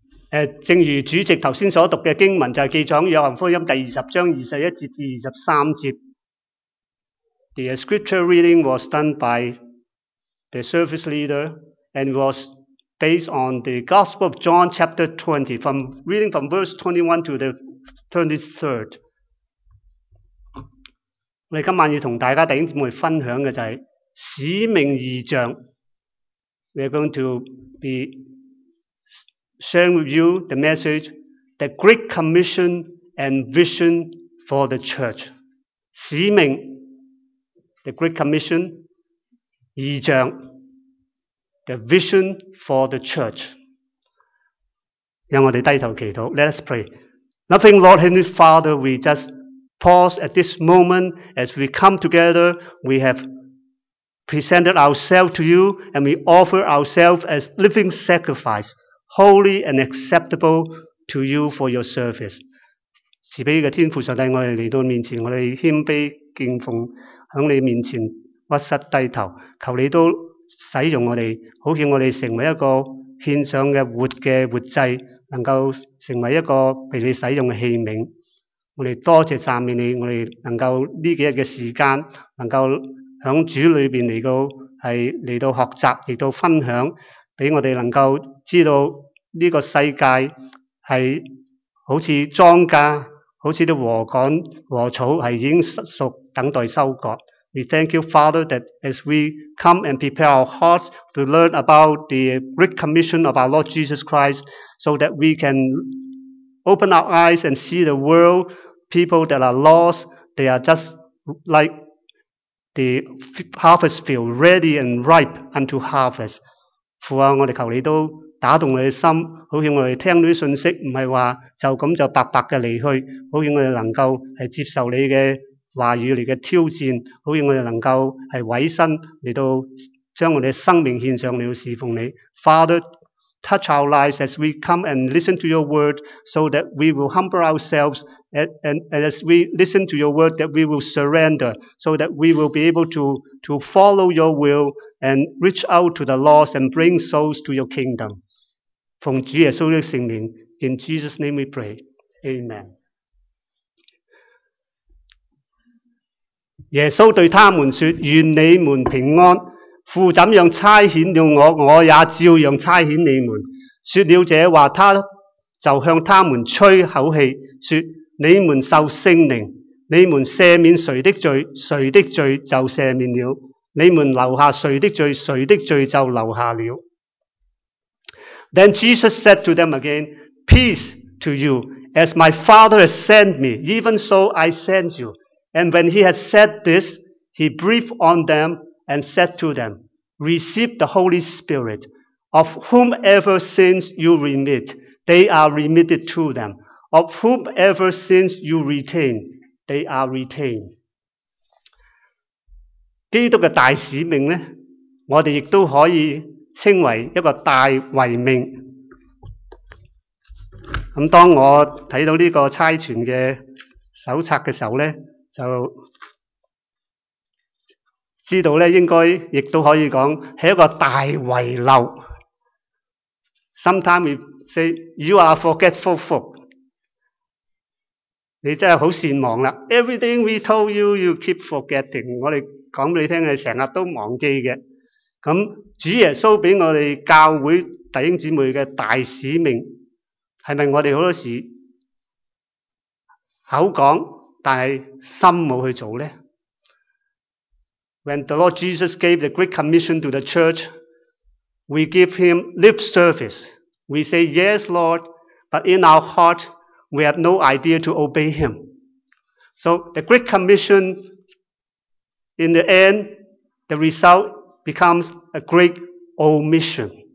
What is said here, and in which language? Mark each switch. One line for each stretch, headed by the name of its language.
English: The scripture reading was done by the service leader and was based on the Gospel of John chapter 20, from reading from verse 21 to the 23rd.
Chinese: 我们今晚要跟大家弟兄姊妹分享的就是使命意象。
English: We are going to be sharing with you the message, the Great Commission and Vision for the Church. 使命 the Great Commission, 意象 the Vision for the Church.
Chinese: 让我们低头祈祷
English: Let us pray. Loving Lord Heavenly Father, we just pause at this moment as we come together, we have presented ourselves to you and we offer ourselves as living sacrifice, holy and acceptable to you for your service.
Chinese: 慈悲的天父上帝，我们来到面前，我们谦卑敬奉，在你面前屈膝低头，求你都使用我们，好叫我们成为一个献上的活的活祭，能够成为一个被你使用的器皿。我们多谢赞美你，我们能够这几天的时间能够在主里面来到学习，来到分享，给我们能够知道这个世界是好像庄稼，好像禾秆禾草是已经熟等待收割。
English: We thank you Father that as we come and prepare our hearts to learn about the great commission of our Lord Jesus Christ so that we can open our eyes and see the world, people that are lost, they are just like the harvest field, ready and ripe unto harvest.
Chinese: 父啊，我们求你都打动我们的心，好让我们听到信息，不是说就这样就白白的离去，好让我们能够接受你的话语，你的挑战，好让我们能够委身来到将我们的生命献上，来到侍奉你。
English: Father,Touch our lives as we come and listen to your word so that we will humble ourselves and as we listen to your word that we will surrender so that we will be able to follow your will and reach out to the lost and bring souls to your kingdom.
Chinese: 奉主耶稣的圣名
English: in Jesus' name we pray. Amen.
Chinese: 耶稣对他们说愿你们平安。父怎样差遣了我，我也照样差遣你们。说了这话，他就向他们吹口气，说：你们受圣灵，你们赦免谁的罪，谁的罪就赦免了；你们留下谁的罪，谁的罪就留下了。
English: Then Jesus said to them again, "Peace to you, as my Father has sent me, even so I send you." And when he had said this, he breathed on them. And said to them, Receive the Holy Spirit, of whomever sins you remit, they are remitted to them, of whomever sins you retain, they are retained.
Chinese: 基督的大使命呢，我们亦都可以称为一个大遗命。当我看到这个差传的手册的时候呢，就知道应该亦都可以讲是一个大遗漏。
English: Sometimes we say, you are forgetful folk.
Chinese: 你真的很善忘了。
English: Everything we told you, you keep forgetting.
Chinese: 我们讲给你听，你成日都忘记的。那主耶稣给我们教会弟兄姊妹的大使命，是不是我们很多时口讲，但是心没去做呢？
English: When the Lord Jesus gave the Great Commission to the church, we give him lip service. We say, yes, Lord, but in our heart, we have no idea to obey him. So the Great Commission, in the end, the result becomes a great omission.